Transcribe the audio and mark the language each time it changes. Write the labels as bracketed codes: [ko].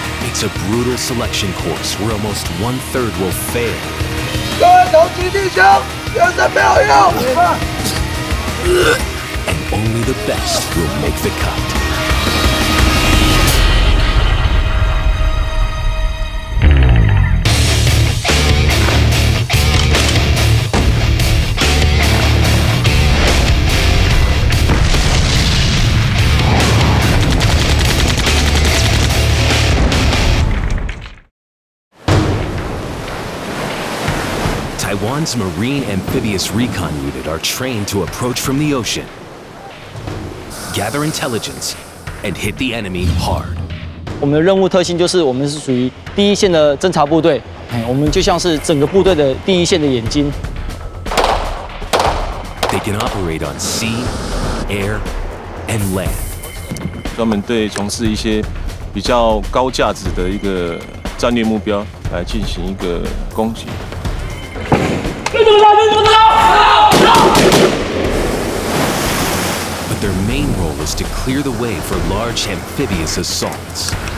[en] It's a brutal selection course where almost one-third will fail. [zh] 各位同志弟兄，有什么没有用？ [en] And only the best will make the cut. Taiwan's Marine Amphibious Recon Unit are trained to approach from the ocean, gather intelligence, and hit the enemy hard. [zh] 我们的任务特性就是我们是属于第一线的侦察部队，我们就像是整个部队的第一线的眼睛。 [en] They can operate on sea, air, and land. [zh] 专门对从事一些比较高价值的一个战略目标来进行一个攻击。 [en] But their main role is to clear the way for large amphibious assaults.